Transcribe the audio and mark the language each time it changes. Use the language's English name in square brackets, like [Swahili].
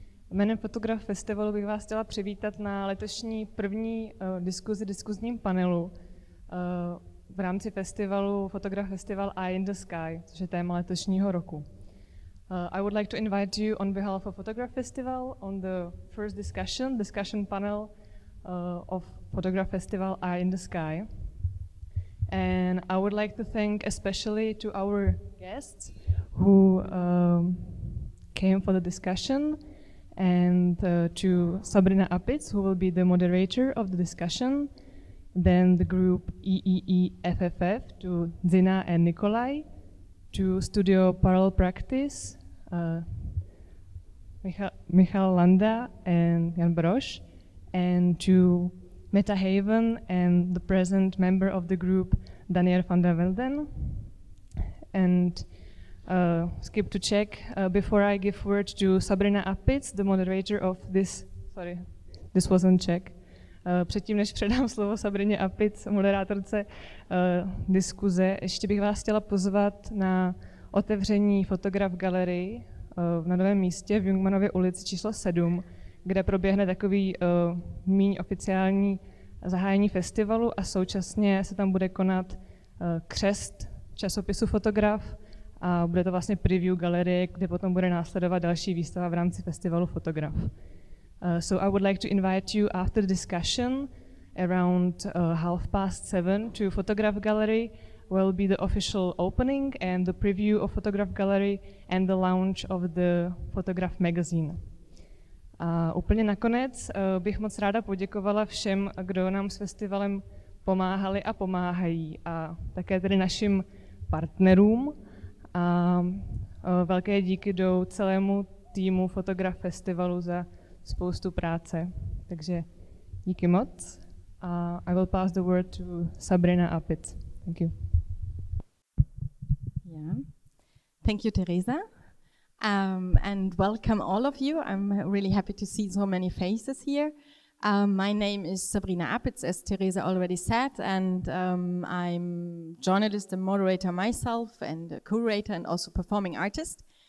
[Czech] Jménem Fotograf Festivalu bych vás chtěla přivítat na letošní první diskuzním panelu v rámci festivalu Fotograf Festival Eye in the Sky, což je téma letošního roku. [English] I would like to invite you on behalf of Fotograf Festival on the first discussion panel of Fotograf Festival Eye in the Sky. And I would like to thank especially to our guests who came for the discussion, and to Sabrina Apitz, who will be the moderator of the discussion, then the group EEEFFF, to Zina and Nikolai, to Studio Parallel Practice, Michal Landa and Jan Broš, and to Meta Haven and the present member of the group, Daniel van der Velden. And skip to check before I give word to Sabrina Apitz, the moderator of this. Sorry, this wasn't check. [Czech] Předtím, než předám slovo Sabrině Apitz, moderátorce diskuze, ještě bych vás chtěla pozvat na otevření Fotograf galerii na novém místě v Jungmanově ulici číslo 7, kde proběhne takový míň oficiální zahájení festivalu a současně se tam bude konat křest časopisu Fotograf. A bude to vlastně preview galerie, kde potom bude následovat další výstava v rámci festivalu Fotograf. [English] So I would like to invite you after the discussion around 7:30 to Fotograf Gallery, where will be the official opening and the preview of Fotograf Gallery and the launch of the Fotograf magazine. [Czech] A úplně nakonec bych moc ráda poděkovala všem, kdo nám s festivalem pomáhali a pomáhají, a také tedy našim partnerům. A velké díky jdou celému týmu Fotograf Festivalu za spoustu práce. Takže díky moc. [English] I will pass the word to Sabrina Apitz. Thank you. Yeah. Thank you, Teresa. And welcome all of you. I'm really happy to see so many faces here. My name is Sabrina Apitz, as Teresa already said, and I'm journalist and moderator myself, and a curator and also performing artist.